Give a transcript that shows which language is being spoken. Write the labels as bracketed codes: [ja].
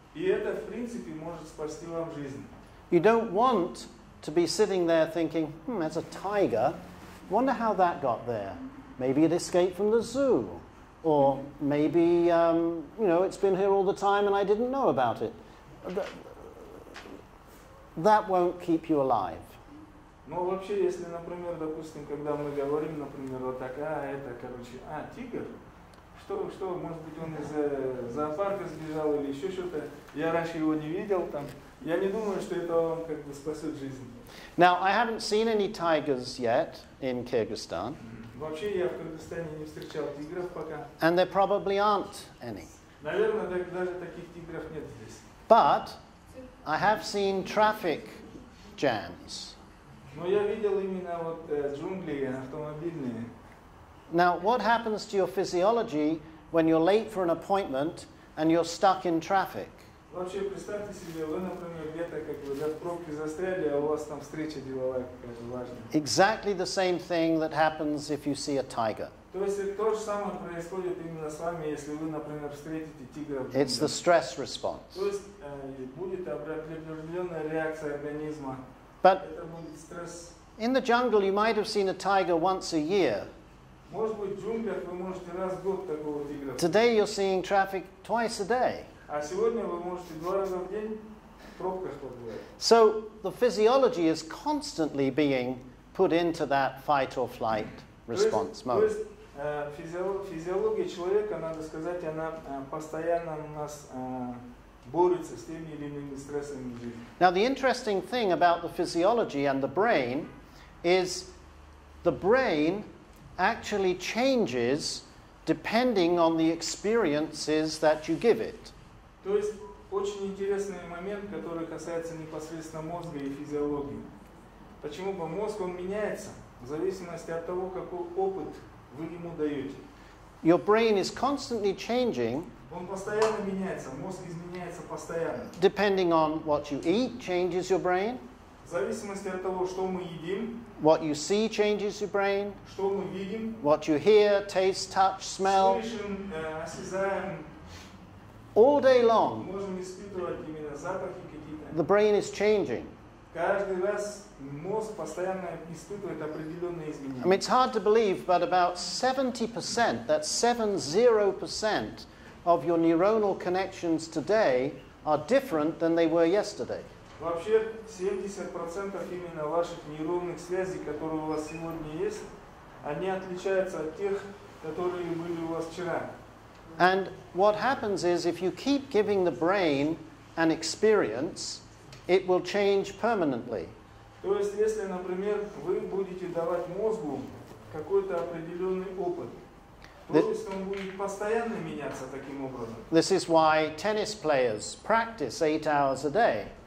[ru] И это, в принципе, может спасти вам жизнь. [en] You don't want to be sitting there thinking, that's a tiger. Wonder how that got there. Maybe it escaped from the zoo. Or maybe, it's been here all the time and I didn't know about it. That won't keep you alive. [ru] Ну, вообще, если, например, допустим, когда мы говорим, например, вот такая, это, короче, тигр? Что, может быть, он из зоопарка сбежал или еще что-то? Я раньше его не видел там. Я не думаю, что это вам как бы спасет жизнь. [en] Now, I haven't seen any tigers yet in Kyrgyzstan. [ru] Вообще, я в Кыргызстане не встречал тигров пока. [en] And there probably aren't any. [ru] Наверное, даже таких тигров нет здесь. [en] But I have seen traffic jams. [ru] Но я видел именно вот джунгли автомобильные. [en] Now, what happens to your physiology when you're late for an appointment and you're stuck in traffic? [ru] Вообще, представьте себе, вы, например, где-то как бы в пробке застряли, а у вас там встреча деловая какая-то важная. [en] Exactly the same thing that happens if you see a tiger. [ru] То есть то же самое происходит именно с вами, если вы, например, встретите тигра. [en] It's the stress response. [ru] То есть будет определенная реакция организма. [en] But [ru] это будет стресс. [en] In the jungle, you might have seen a tiger once a year. [ru] Может быть, в джунглях вы можете раз в год такого тигра. [en] Today you're seeing traffic twice a day. [ru] А сегодня вы можете два раза в день в пробках побывать. [en] So the physiology is constantly being put into that fight or flight response mode. [ru] То есть физиология человека, надо сказать, она постоянно у нас борется с теми или иными стрессами в жизни. [en] Now the interesting thing about the physiology and the brain is the brain actually changes depending on the experiences that you give it. [ru] То есть очень интересный момент, который касается непосредственно мозга и физиологии. Почему бы мозг он меняется в зависимости от того, какой опыт вы ему даете. [en] Your brain is constantly changing. [ru] Он постоянно меняется, мозг изменяется постоянно. [en] Depending on what you eat changes your brain. [ru] В зависимости от того, что мы едим. [en] What you see changes your brain. [ru] Что мы видим. [en] What you hear, taste, touch, smell. [ru] Слышим, осязаем. [en] All day long. [ru] Можем испытывать именно запахи какие-то. [en] The brain is changing. [ru] Каждый раз мозг постоянно испытывает определенные изменения. [en] I mean, it's hard to believe, but about 70%, that's 70% of your neuronal connections today are different than they were yesterday. [ru] Вообще 70% именно ваших нейронных связей, которые у вас сегодня есть, они отличаются от тех, которые были у вас вчера. [en] And what happens is, if you keep giving the brain an experience, it will change permanently. [ru] То есть, если, например, вы будете давать мозгу какой-то определенный опыт, то есть он будет постоянно меняться таким образом. [en] This is why tennis players practice 8 hours a day.